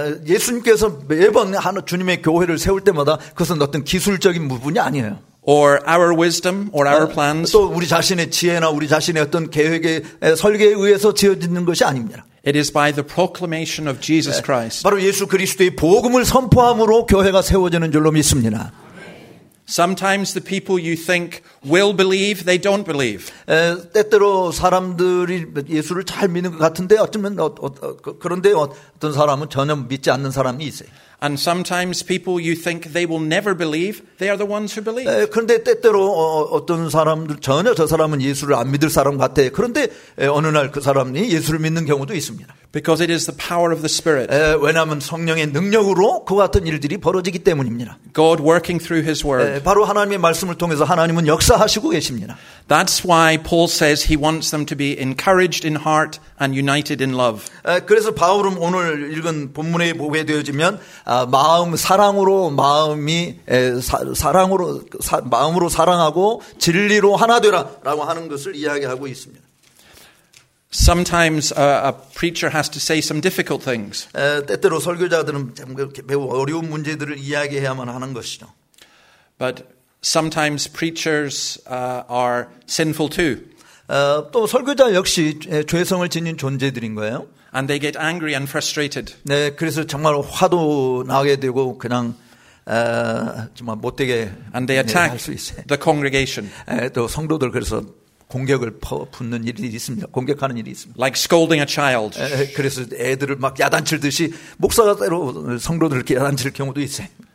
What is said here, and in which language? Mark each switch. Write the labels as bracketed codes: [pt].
[ko] 예수님께서 매번 하나 주님의 교회를 세울 때마다 그것은 어떤 기술적인 부분이 아니에요. [en] Or our wisdom, or our plans. [ko] 또 우리 자신의 지혜나 우리 자신의 어떤 계획의 설계에 의해서 지어지는 것이 아닙니다. [en] It is by the proclamation of Jesus Christ. [ko] 바로 예수 그리스도의 복음을 선포함으로 교회가 세워지는 줄로 믿습니다. [en] Sometimes the people you think will believe, they don't believe. [ko] 때때로 사람들이 예수를 잘 믿는 것 같은데 어쩌면 그런데 어떤 사람은 전혀 믿지 않는 사람이 있어요. [en] And sometimes people you think they will never believe, they are the ones who believe. [ko] 그런데 때때로 어떤 사람들 전혀 저 사람은 예수를 안 믿을 사람 같아. 그런데 어느 날 그 사람이 예수를 믿는 경우도 있습니다. [en] Because it is the power of the Spirit. [ko] 왜냐하면 성령의 능력으로 그 같은 일들이 벌어지기 때문입니다. [en] God working through His Word. [ko] 바로 하나님의 말씀을 통해서 하나님은 역사하시고 계십니다. [en] That's why Paul says he wants them to be encouraged in heart and united in love. [ko] 그래서 바울은 오늘 읽은 본문에 보게 되어지면 마음 사랑으로 마음이 사랑으로 마음으로 사랑하고 진리로 하나 되라라고 하는 것을 이야기하고 있습니다. [en] Sometimes a preacher has to say some difficult things. [ko] 때때로 설교자들은 매우 어려운 문제들을 이야기해야만 하는 것이죠. [en] But sometimes preachers are sinful too. [ko] 또 설교자 역시 죄성을 지닌 존재들인 거예요. [en] And they get angry and frustrated. [ko] 네, 그래서 정말 화도 나게 되고 그냥 정말 못되게 [en] And they attack the congregation. [ko] 또 성도들 그래서 공격을 붙는 일이 있습니다. 공격하는 일이 있습니다. [en] Like scolding a child. [ko] 그래서 애들을 막 야단칠듯이 목사가 때로 성도들을 이렇게 야단칠 경우도 있어요.